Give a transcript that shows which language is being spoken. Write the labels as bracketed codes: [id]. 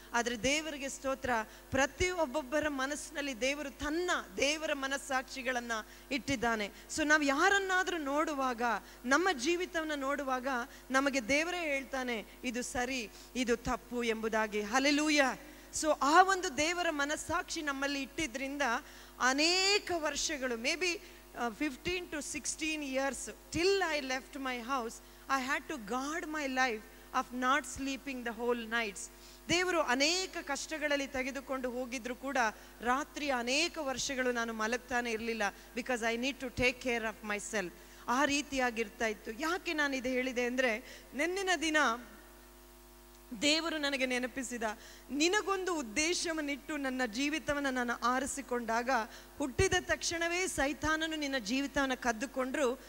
[kn] ಆದರೆ ದೇವರಿಗೆ ಸ್ತೋತ್ರ, ಪ್ರತಿಯೊಬ್ಬೊಬ್ಬರ ಮನಸ್ಸಿನಲ್ಲಿ ದೇವರು ತನ್ನ ದೇವರ ಮನಸ್ಸಾಕ್ಷಿಗಳನ್ನು ಇಟ್ಟಿದ್ದಾನೆ. ಸೊ ನಾವು ಯಾರನ್ನಾದರೂ ನೋಡುವಾಗ, ನಮ್ಮ ಜೀವಿತವನ್ನು ನೋಡುವಾಗ ನಮಗೆ ದೇವರೇ ಹೇಳ್ತಾನೆ ಇದು ಸರಿ ಇದು ತಪ್ಪು ಎಂಬುದಾಗಿ. ಹಲ್ಲೆಲೂಯ. ಸೊ ಆ ಒಂದು ದೇವರ ಮನಸ್ಸಾಕ್ಷಿ ನಮ್ಮಲ್ಲಿ ಇಟ್ಟಿದ್ದರಿಂದ ಅನೇಕ ವರ್ಷಗಳು, [en] Maybe 15 to 16 years, till I left my house, I had to guard my life of not sleeping the whole nights. [kn] ದೇವರು ಅನೇಕ ಕಷ್ಟಗಳಲ್ಲಿ ತೆಗೆದುಕೊಂಡು ಹೋಗಿದ್ರು ಕೂಡ ರಾತ್ರಿ ಅನೇಕ ವರ್ಷಗಳು ನಾನು ಮಲಗ್ತಾನೆ ಇರಲಿಲ್ಲ, [en] Because I need to take care of myself. [kn] ಆ ರೀತಿಯಾಗಿರ್ತಾ ಇತ್ತು. ಯಾಕೆ ನಾನು ಇದು ಹೇಳಿದೆ ಅಂದರೆ, ನಿನ್ನಿನ ದಿನ ದೇವರು ನನಗೆ ನೆನಪಿಸಿದ, ನಿನಗೊಂದು ಉದ್ದೇಶವನ್ನಿಟ್ಟು ನನ್ನ ಜೀವಿತವನ್ನು ನಾನು ಆರಿಸಿಕೊಂಡಾಗ ಹುಟ್ಟಿದ ತಕ್ಷಣವೇ ಸೈತಾನನು ನಿನ್ನ ಜೀವಿತವನ್ನು ಕದ್ದುಕೊಂಡ್ರು.